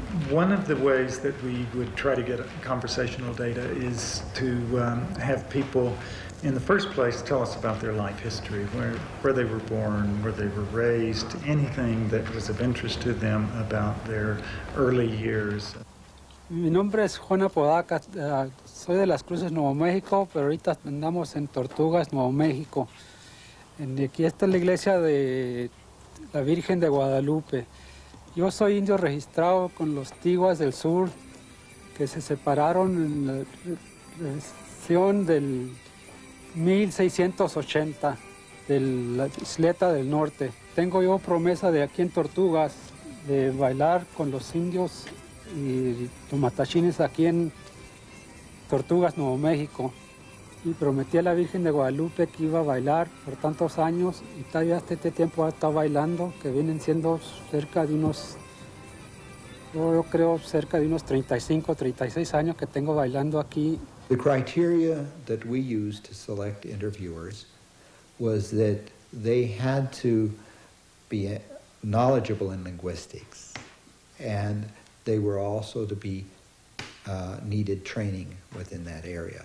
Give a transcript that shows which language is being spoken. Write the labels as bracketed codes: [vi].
[en] One of the ways that we would try to get conversational data is to have people, in the first place, tell us about their life history, where they were born, where they were raised, anything that was of interest to them about their early years. [es] Mi nombre es Juan Apodaca. Soy de Las Cruces, Nuevo México, pero ahorita andamos en Tortugas, Nuevo México. Y aquí está la iglesia de la Virgen de Guadalupe. Yo soy indio registrado con los Tiguas del Sur, que se separaron en la región del 1680 de la isleta del norte. Tengo yo promesa de aquí en Tortugas de bailar con los indios y tomatachines aquí en Tortugas, Nuevo México. Y prometí a la Virgen de Guadalupe que iba a bailar por tantos años y todavía hasta este tiempo ha estado bailando, que vienen siendo cerca de unos, yo creo cerca de unos 35, 36 años que tengo bailando aquí. [en] The criteria that we used to select interviewers was that they had to be knowledgeable in linguistics, and they were also to be needed training within that area.